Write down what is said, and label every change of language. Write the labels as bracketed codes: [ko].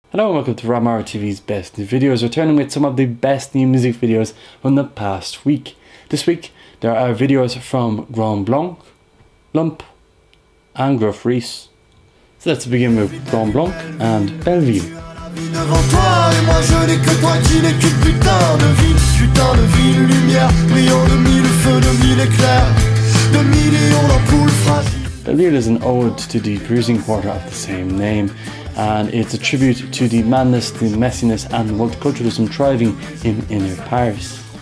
[en] Hello and welcome to RobMoro TV's best new videos, returning with some of the best new music videos from the past week. This week there are videos from Grand Blanc, Lump and Gruff Rhys. So let's begin with Grand Blanc and Belleville. [fr] Devant toi et moi je n'ai que toi qui n'es qu'une putain de ville lumière brillant de mille feux de mille éclairs de millions d'ampoules fragiles. [en] Belleville is an ode to the bruising quarter of the same name, and it's a tribute to the madness, the messiness and the multiculturalism thriving in inner Paris.